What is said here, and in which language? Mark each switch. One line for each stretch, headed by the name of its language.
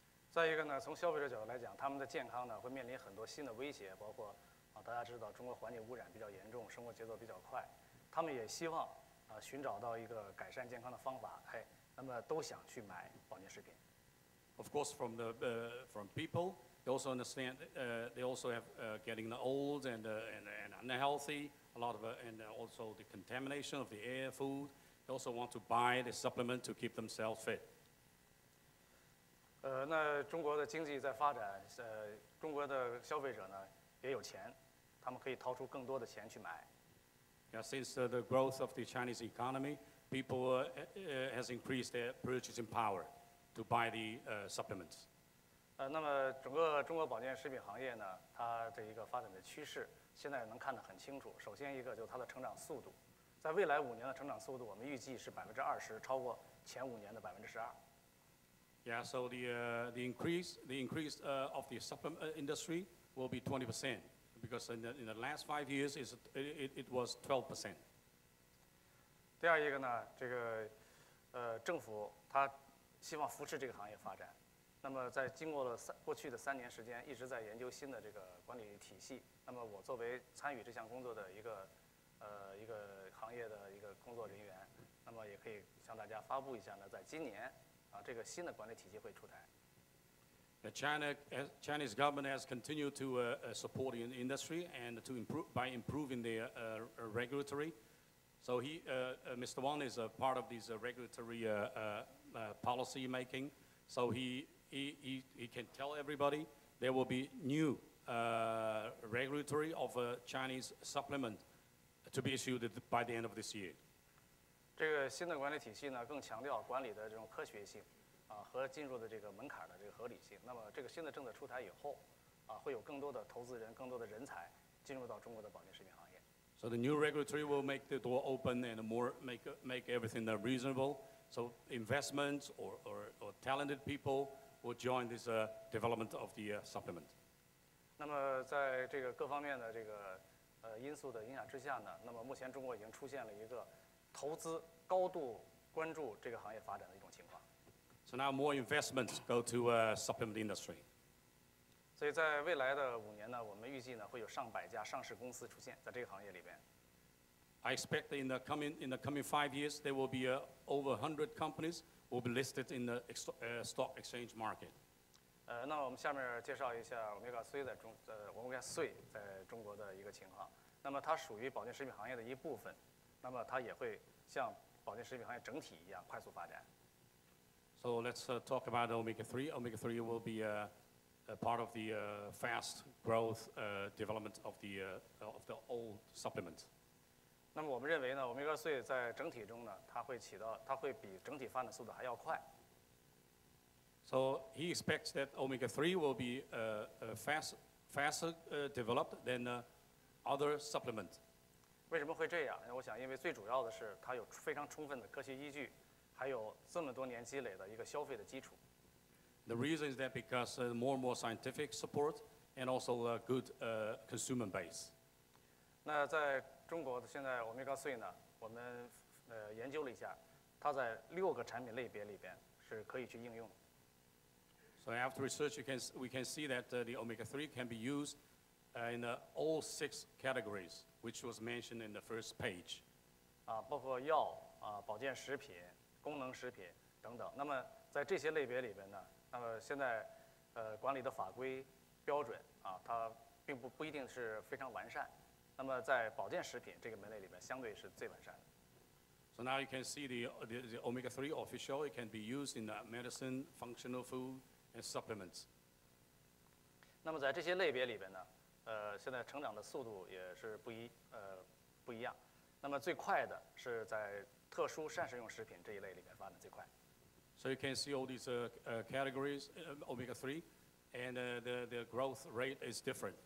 Chinese: 再一个呢，从消费者角度来讲，他们的健康呢会面临很多新的威胁，包括大家知道中国环境污染比较严重，生活节奏比较快，他们也希望寻找到一个改善健康的方法，那么都想去买保健食品。
English: Of course, from the from people, they also understand they also have getting the old and unhealthy a lot of and also the contamination of the air, food. They also want to buy the supplement to keep themselves fit.
Chinese: 那中国的经济在发展，中国的消费者呢也有钱，他们可以掏出更多的钱去买。
English: Yeah, since the growth of the Chinese economy, people has increased their purchasing power to buy the supplements.
Chinese: 那么整个中国保健食品行业呢，它的一个发展的趋势现在能看得很清楚。首先一个就是它的成长速度，在未来五年的成长速度，我们预计是20%，超过前五年的12%。
English: Yeah, so the increase of the supplement industry will be 20%, because in the last 5 years it was 12%.
Chinese: 第二一个呢，这个政府他希望扶持这个行业发展。那么在经过了过去的3年时间，一直在研究新的这个管理体系。那么我作为参与这项工作的一个行业的一个工作人员，那么也可以向大家发布一下呢，在今年。这个新的管理体系会出台。
English: The Chinese government has continued to support the industry and to improve by improving the regulatory. So Mr. Wang is a part of these regulatory policy making. So he can tell everybody there will be new regulatory of Chinese supplement to be issued by the end of this year.
Chinese: 这个新的管理体系呢，更强调管理的这种科学性，和进入的这个门槛的这个合理性。那么这个新的政策出台以后，会有更多的投资人、更多的人才进入到中国的保健食品行业。
English: So the new regulatory will make the door open and more make everything reasonable. So investments or talented people will join this development of the supplement.
Chinese: 那么在这个各方面的这个因素的影响之下呢，那么目前中国已经出现了一个。投资高度关注这个行业发展的一种情况。
English: So now more investments go to supplement industry.
Chinese: 所以在未来的五年呢，我们预计呢会有上百家上市公司出现在这个行业里边。
English: I expect that in the coming 5 years, there will be over 100 companies will be listed in the stock exchange market.
Chinese: 那我们下面介绍一下 Omega 3在中Omega 3在中国的一个情况。那么它属于保健食品行业的一部分，那么它也会像保健食品行业整体一样快速发展。
English: So let's talk about Omega 3. Omega 3 will be a part of the fast growth development of the old supplement.
Chinese: 那么我们认为呢 ，Omega 3在整体中呢，它会起到，它会比整体发展速度还要快。
English: So he expects that Omega 3 will be faster developed than other supplements.
Chinese: 为什么会这样？我想，因为最主要的是它有非常充分的科学依据，还有这么多年积累的一个消费的基础。
English: The reason is that because more and more scientific support and also a good consumer base.
Chinese: 那在中国的现在 Omega 3呢，我们研究了一下，它在六个产品类别里边是可以去应用。
English: So after research, we can see that the Omega 3 can be used in all six categories, which was mentioned in the first page.
Chinese: 啊，包括药啊，保健食品、功能食品等等。那么在这些类别里边呢？那么现在，管理的法规标准啊，它并不一定是非常完善。那么在保健食品这个门类里面，相对是最完善的。
English: So now you can see the omega 3 official. It can be used in the medicine, functional food, and supplements.
Chinese: 那么在这些类别里边呢，现在成长的速度也是不一样。那么最快的是在特殊膳食用食品这一类里面发展最快。
English: So you can see all these categories, omega-3, and the growth rate is different.